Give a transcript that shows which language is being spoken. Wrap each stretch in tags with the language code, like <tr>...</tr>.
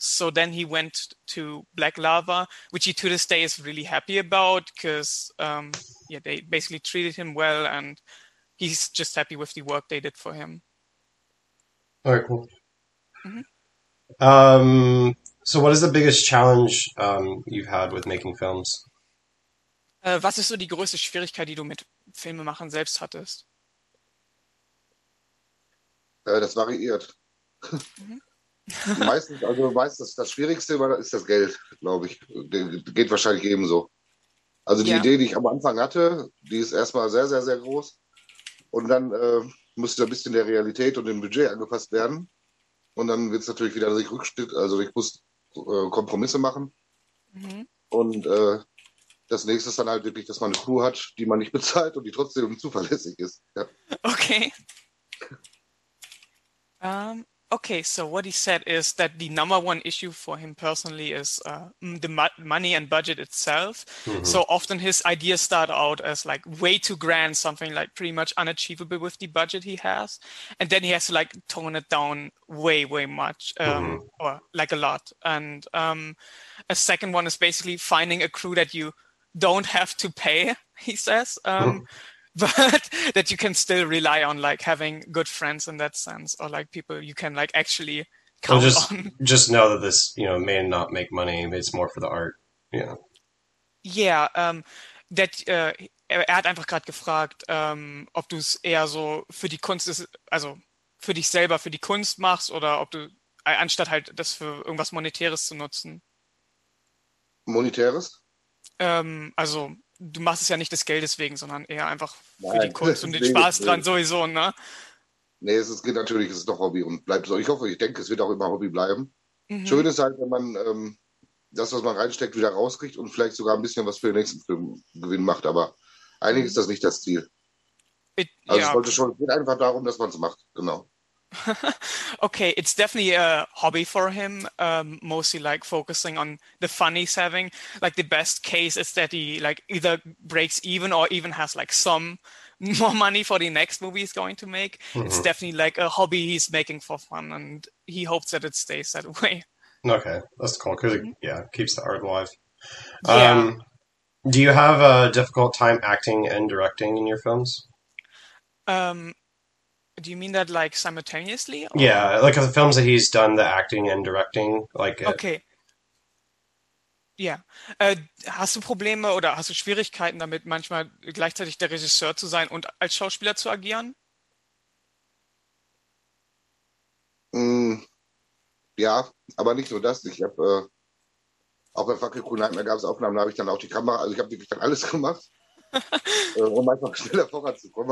<en>So then he went to Black Lava, which he to this day is really happy about because yeah, they basically treated him well and he's just happy with the work they did for him. All right, cool. So what is the biggest challenge you've had with making films?</en> <de>Was ist so die größte Schwierigkeit, die du mit Filmemachen selbst hattest? Das variiert. Meistens, also meistens das Schwierigste ist das Geld, glaube ich. Geht wahrscheinlich ebenso. Also die Idee, die ich am Anfang hatte, die ist erstmal sehr, sehr, sehr groß. Und dann musste ein bisschen der Realität und dem Budget angepasst werden. Und dann wird es natürlich wieder durch Rückschritt, also ich muss Kompromisse machen. Und das nächste ist dann halt wirklich, dass man eine Crew hat, die man nicht bezahlt und die trotzdem zuverlässig ist. Ja.</de> <en>Okay. Okay, so what he said is that the number one issue for him personally is the money and budget itself. So often his ideas start out as like way too grand, something like pretty much unachievable with the budget he has. And then he has to like tone it down way much, or like a lot. And a second one is basically finding a crew that you don't have to pay, he says. But that you can still rely on, like having good friends in that sense, or like people you can like actually Well, count on. just know that this, may not make money, but it's more for the art. Yeah, that</en> <de>er hat einfach gerade gefragt, ob du es eher so für die Kunst ist, also für dich selber, für die Kunst machst, oder ob du anstatt halt das für irgendwas Monetäres zu nutzen. Monetäres? Also du machst es ja nicht des Geldes wegen, sondern eher einfach für die Nein, Kunst und den deswegen. Spaß dran sowieso, ne? Nee, es geht natürlich, es ist doch Hobby und bleibt so. Ich hoffe, ich denke, es wird auch immer Hobby bleiben. Schön ist halt, wenn man das, was man reinsteckt, wieder rauskriegt und vielleicht sogar ein bisschen was für den nächsten Film Gewinn macht. Aber eigentlich ist das nicht das Ziel. Also, es Ja. wollte schon, es geht einfach darum, dass man es macht. Genau.</de> <en>Okay, it's definitely a hobby for him, mostly like focusing on the fun he's having. Like the best case is that he like either breaks even or even has like some more money for the next movie he's going to make. It's definitely like a hobby he's making for fun, and he hopes that it stays that way. Okay, that's cool because it keeps the art alive. Yeah. Do you have a difficult time acting and directing in your films? Do you mean that like simultaneously or? Yeah, like the films that he's done, the acting and directing, like it.</en> <de>Okay. Ja. Hast du Probleme oder hast du Schwierigkeiten damit, manchmal gleichzeitig der Regisseur zu sein und als Schauspieler zu agieren? Ja, aber nicht nur das. Ich habe auch bei Fackelkuh Nightmare gab es Aufnahmen, da habe ich dann auch die Kamera, also ich habe wirklich dann alles gemacht, um einfach schneller voranzukommen.</de>